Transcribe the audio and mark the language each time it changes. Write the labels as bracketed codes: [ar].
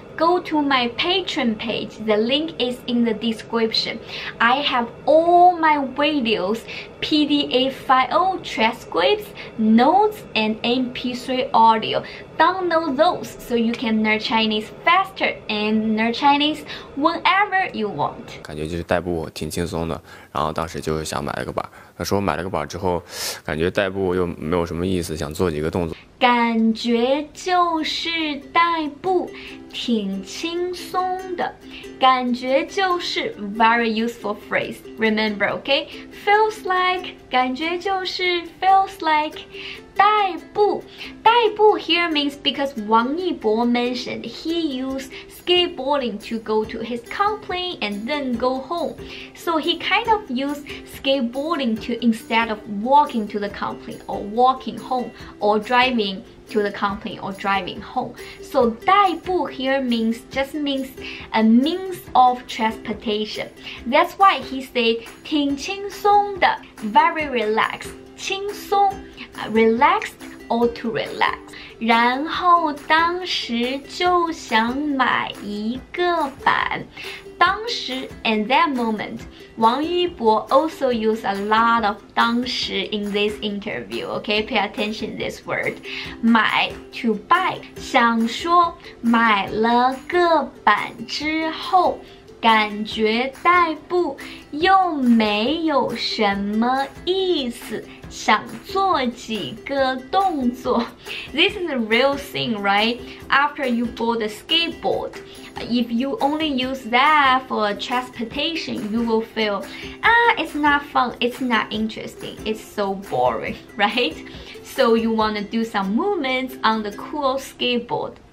[en] go to my Patreon page. The link is in the description. I have all my videos, PDF file, transcripts, notes, and MP3 audio. Download those so you can learn Chinese faster and learn Chinese whenever you want. [zh] 感觉就是代步挺轻松的，然后当时就想买了个板。他说买了个板之后，感觉代步又没有什么意思，想做几个动作。感觉就是代步挺轻松的，感觉就是 [en] very useful phrase. Remember, okay? Feels like, [zh] 感觉就是 [en] feels like. 代步，代步 here means because Wang Yibo mentioned he used skateboarding to go to his company and then go home. So he kind of used skateboarding to instead of walking to the company or walking home or driving to the company or driving home. So 代步 here means just means a means of transportation. That's why he said [zh] 挺轻松的 [en] very relaxed. 轻松 relaxed or to relax. [zh] 然后当时就想买一个板。 [en] 当时 in that moment, Wang Yibo also used a lot of 当时 in this interview. Okay, pay attention to this word. 买 to buy. [zh] 想说买了个板之后感觉代步又没有什么意思，想做几个动作。 [en] This is a real thing, right? After you bought a skateboard, if you only use that for transportation, you will feel, it's not fun, it's not interesting, it's so boring, right? So you want to do some movements on the cool skateboard.